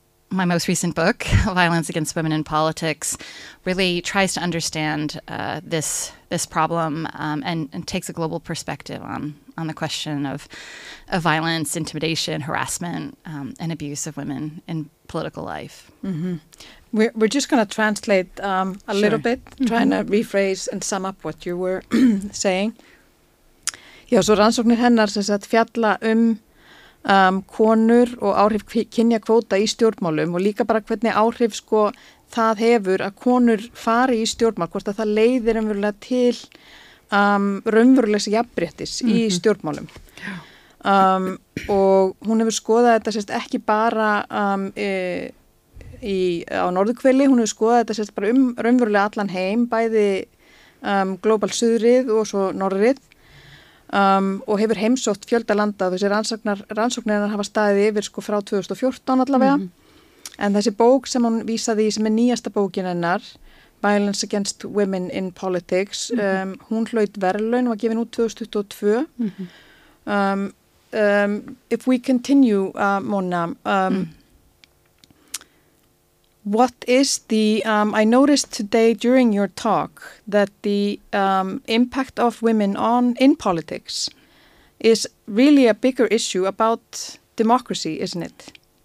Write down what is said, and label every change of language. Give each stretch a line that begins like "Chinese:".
English: My most recent book, Violence Against Women in Politics, really tries to understand this problem and takes a global perspective on the question of violence, intimidation, harassment, and abuse of women in political life. Mm-hmm. We're just going to translate a sure. little bit, mm-hmm. trying to rephrase and sum up what you were saying.
Icelandic: Já, svo rannsóknir hennar sem sagt fjalla konur og áhrif kynja kvóta í stjórnmálum og líka bara hvernig áhrif sko það hefur að konur fari í stjórnmál, hvort að það leiðir raunverulega til raunverulegs jafnréttis mm-hmm. í stjórnmálum og hún hefur skoðað þetta sérst ekki bara á norðurhveli, hún hefur skoðað þetta sérst bara raunverulega allan heim, bæði global suðrið og svo norðrið og hefur heimsótt fjölda landa og þessi rannsóknirnar hafa staðið yfir sko frá 2014 allavega mm-hmm. en þessi bók sem hún vísaði sem er nýjasta bókin hennar Violence Against Women in Politics mm-hmm. Hún hlaut verðlaun og var gefin út 2022 mm-hmm.
English: If we continue Mona what is the I noticed today during your talk that the impact of women in politics is really a bigger issue about democracy, isn't it?